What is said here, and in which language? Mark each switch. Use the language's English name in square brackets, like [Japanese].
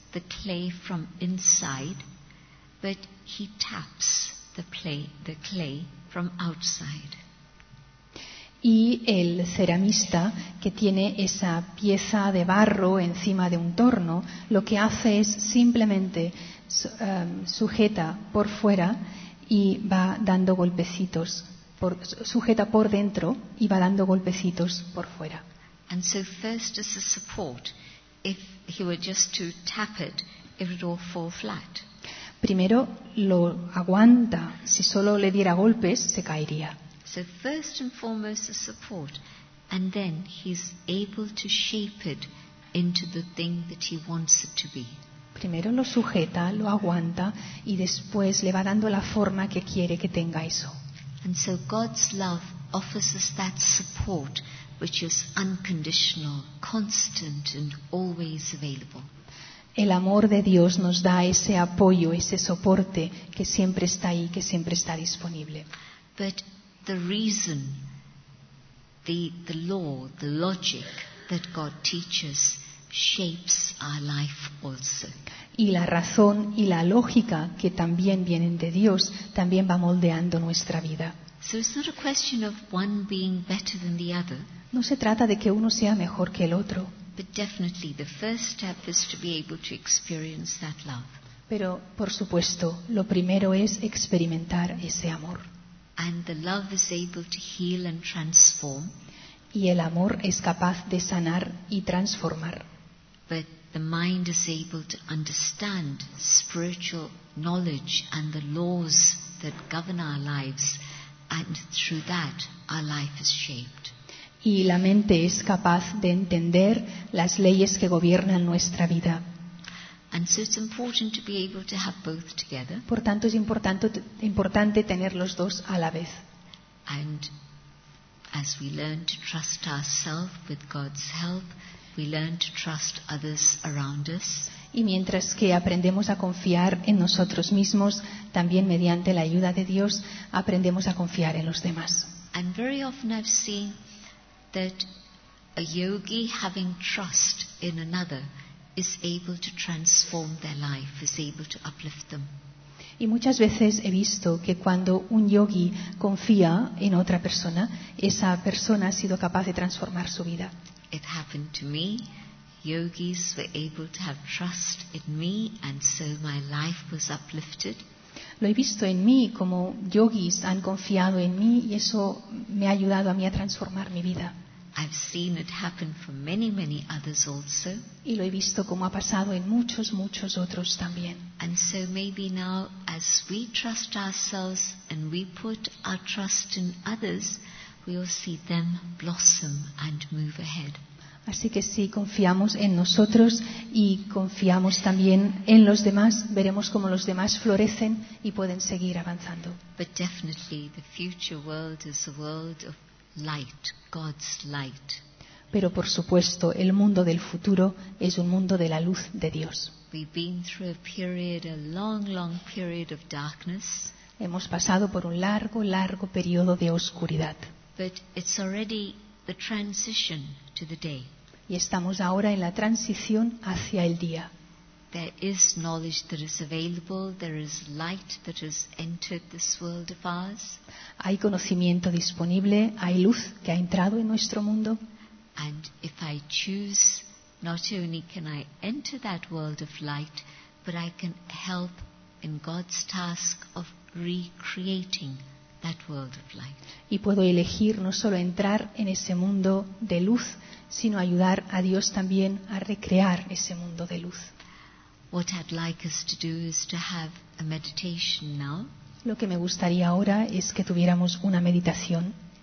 [English] the clay from inside, but he taps the clay from outside. [Spanish] Y el ceramista, que tiene esa pieza de barro encima de un torno, lo que hace es simplemente sujeta por fuera y va dando golpecitos. Sujeta por dentro y va dando golpecitos por fuera. [English] And so first is the support. If he were just to tap it, it would all fall flat. [Spanish] Primero lo aguanta. Si solo le diera golpes, se caería. [English] So first and foremost the support, and then he's able to shape it into the thing that he wants it to be. [Spanish] Primero lo sujeta, lo aguanta, y después le va dando la forma que quiere que tenga eso. [English] And so God's love offers us that support which is unconditional, constant, and always available. [Spanish] El amor de Dios nos da ese apoyo, ese soporte que siempre está ahí, que siempre está disponible. [English] But the reason, the law, the logic that God teaches shapes our life also. [Spanish] Y la razón y la lógica que también vienen de Dios también va moldeando nuestra vida. [English] So it's not a question of one being better than the other. [Spanish] No se trata de que uno sea mejor que el otro. [English] But definitely the first step is to be able to experience that love. [Spanish] Pero por supuesto, lo primero es experimentar ese amor. [English] And the love is able to heal and transform. [Spanish] Y el amor es capaz de sanar y transformar. [English] But the mind is able to understand spiritual knowledge and the laws that govern our lives, and through that our life is shaped. [Spanish] Y la mente es capaz de entender las leyes que gobiernan nuestra vida. [English] And so it's important to be able to have both together. [Spanish] Por tanto, es importante tener los dos a la vez. [English] And as we learn to trust ourselves with God's help, we learn to trust others around us. [Spanish] Y mientras que aprendemos a confiar en nosotros mismos, también mediante la ayuda de Dios, aprendemos a confiar en los demás. [English] And very often I've seen that a yogi having trust in another is able to transform their life, is able to uplift them. [Spanish] Y muchas veces he visto que cuando un yogi confía en otra persona, esa persona ha sido capaz de transformar su vida. [English] It happened to me. Yogis were able to have trust in me, and so my life was uplifted. [Spanish] Lo he visto en mí, como yogis han confiado en mí y eso me ha ayudado a mí a transformar mi vida. [English] I've seen it happen for many, many others also. [Spanish] Y lo he visto como ha pasado en muchos, muchos otros también. [English] And so maybe now, as we trust ourselves and we put our trust in others, we'll see them blossom and move ahead. [Spanish] Así que si confiamos en nosotros y confiamos también en los demás, veremos cómo los demás florecen y pueden seguir avanzando. [English] But definitely the future world is a world of light, God's light. [Spanish] Pero por supuesto, el mundo del futuro es un mundo de la luz de Dios. [English] We've been through a period, a long, long period of darkness. [Spanish] Hemos pasado por un largo, largo periodo de oscuridad. [English] But it's already the transition to the day. [Spanish] Y estamos ahora en la transición hacia el día. [English] There is knowledge that is available. There is light that has entered this world of ours. [Spanish] Hay conocimiento disponible. Hay luz que ha entrado en nuestro mundo. [English] And if I choose, not only can I enter that world of light, but I can help in God's task of recreating that world of light. [Spanish] Y puedo elegir no solo entrar en ese mundo de luz, sino ayudar a Dios también a recrear ese mundo de luz. [English] What I'd like us to do is to have a meditation now. [Spanish] Lo que me gustaría ahora es que tuviéramos una meditación.